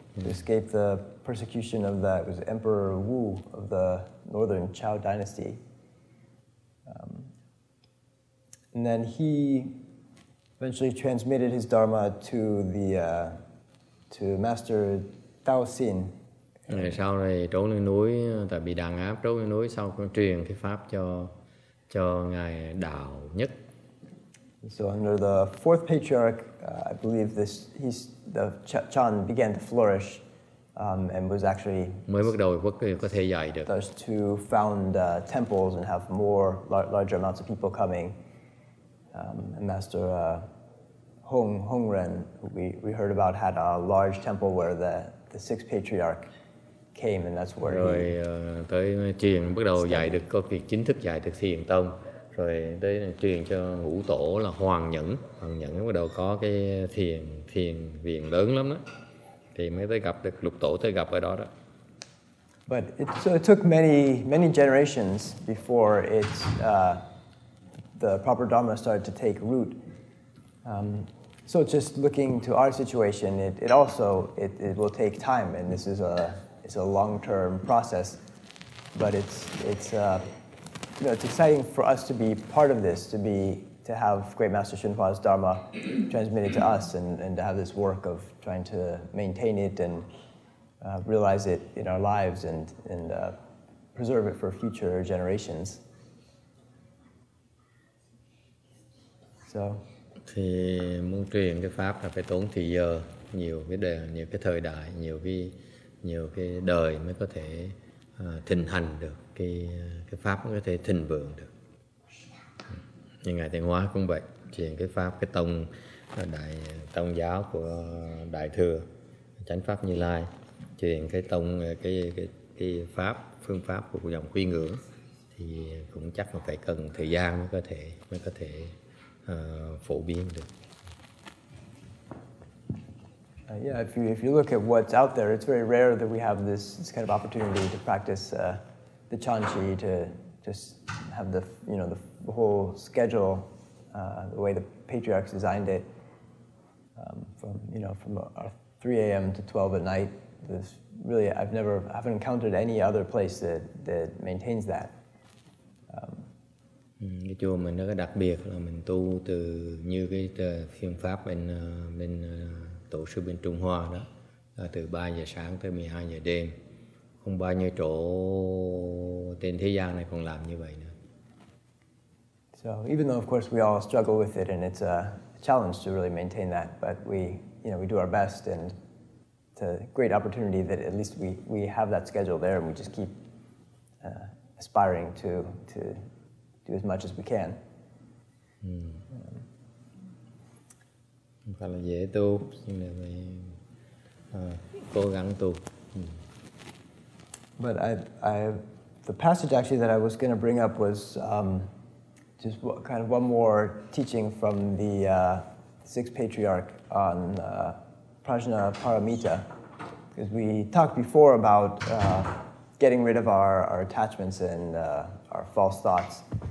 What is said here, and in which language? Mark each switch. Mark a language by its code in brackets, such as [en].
[en] To escape the persecution of that was Emperor Wu of the Northern Chao Dynasty. And then he eventually transmitted his dharma to the to Master Tao Xin. [vi] Rồi sau này trốn lên núi, tại bị đàn áp trốn lên núi, sau con truyền cái pháp cho ngài Đạo Nhất. [en] So under the fourth patriarch, I believe this he's the Chan began to flourish, and was actually [vi] mới bắt đầu có thể dạy được. [en] Starts to found temples and have more larger amounts of people coming. And Master Hongren, who we heard about, had a large temple where the sixth patriarch came, and that's where [vi] rồi, [en] he [vi] tới truyền bắt đầu dạy được, có việc chính thức dạy được thiền tông, rồi tới truyền cho ngũ tổ là Hoàng Nhẫn bắt đầu có cái thiền viện lớn lắm đó, thì mới tới gặp được lục tổ, tới gặp ở đó. [en] But it took many generations before it's the proper dharma started to take root. So just looking to our situation, it will take time, and this is a long-term process. But it's exciting for us to be part of this, to have Great Master Xunhua's dharma transmitted to us, and to have this work of trying to maintain it and realize it in our lives and preserve it for future generations. [vi] Thì muốn truyền cái pháp là phải tốn thời giờ, nhiều cái thời đại, nhiều cái đời mới có thể thịnh hành được, cái pháp mới có thể thịnh vượng được. Như ngài Thiện Hóa cũng vậy, truyền cái pháp, cái tông đại tông giáo của Đại Thừa Chánh Pháp Như Lai, truyền cái tông cái pháp phương pháp của dòng Quy Ngữ, thì cũng chắc là phải cần thời gian mới có thể phổ biến được. [en] Yeah, if you look at what's out there, it's very rare that we have this kind of opportunity to practice the Chan Chi, to just have the whole schedule the way the patriarchs designed it, from 3 a.m. to 12 at night. There's really I haven't encountered any other place that maintains that. [vi] Cái chùa mình nó có đặc biệt là mình tu từ như cái phương pháp bên tổ sư bên Trung Hoa đó, là từ 3 giờ sáng tới 12 giờ đêm. Không bao nhiêu chỗ trên thế gian này còn làm như vậy nữa. [en] So even though of course we all struggle with it and it's a challenge to really maintain that, but we do our best, and it's a great opportunity that at least we have that schedule there, and we just keep aspiring to do as much as we can. [vi] Không phải là dễ tu, nhưng là phải cố gắng tu. [en] But I the passage actually that I was going to bring up was just kind of one more teaching from the sixth patriarch on Prajna Paramita, because we talked before about getting rid of our attachments and our false thoughts.